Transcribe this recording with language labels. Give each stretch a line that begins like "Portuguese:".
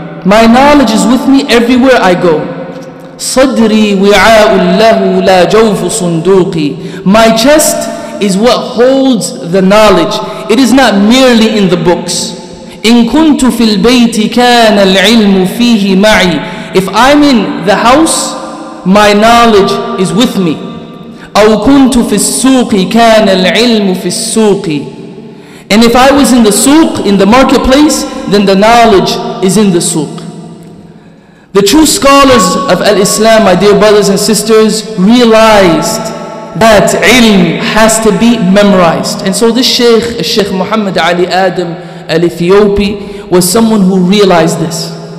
English: My knowledge is with me everywhere I go.
Arabic: صدري وعاء له لا جوف صندوقي.
English: My chest is what holds the knowledge. It is not merely in the books.
Arabic: إن كنت في البيت كان العلم فيه معي.
English: If I'm in the house, my knowledge is with me.
Arabic: أو كنت في السوق كان العلم في السوق.
English: And if I was in the souq, in the marketplace, then the knowledge is in the souq. The true scholars of al-Islam, my dear brothers and sisters, realized that ilm has to be memorized. And so this Shaykh, Shaykh Muhammad Ali Adam al-Ethiopi, was someone who realized this.